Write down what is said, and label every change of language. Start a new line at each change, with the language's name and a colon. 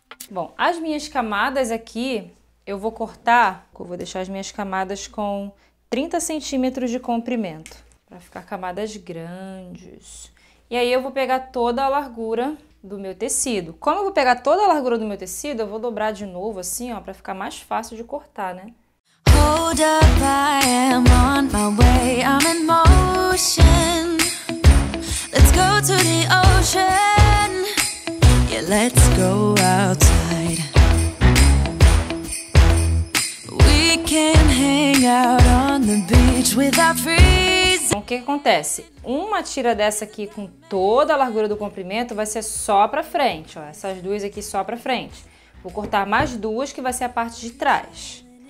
Portuguese: Bom, as minhas camadas aqui, eu vou cortar, eu vou deixar as minhas camadas com 30 centímetros de comprimento, pra ficar camadas grandes. E aí eu vou pegar toda a largura do meu tecido. Como eu vou pegar toda a largura do meu tecido, eu vou dobrar de novo assim, ó, pra ficar mais fácil de cortar, né?
English: Hold up, I am on my way, I'm in motion. Let's go to the ocean. Yeah, let's go outside. We can hang out on the beach without freezing.
Portuguese: Bom, o que acontece? Uma tira dessa aqui com toda a largura do comprimento vai ser só pra frente, ó. Essas duas aqui só pra frente. Vou cortar mais duas que vai ser a parte de trás.